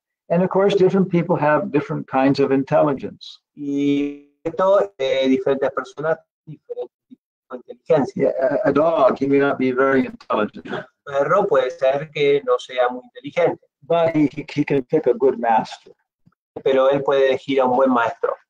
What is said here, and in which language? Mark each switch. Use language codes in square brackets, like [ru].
[en] And of course, different people have different kinds of intelligence. [es] Y esto, diferentes personas diferentes tipos de inteligencia. [en] Yeah, a dog, he may not be very intelligent. [es] Perro puede ser que no sea muy inteligente. [en] But he can pick a good master. [es] Pero él puede elegir a un buen maestro.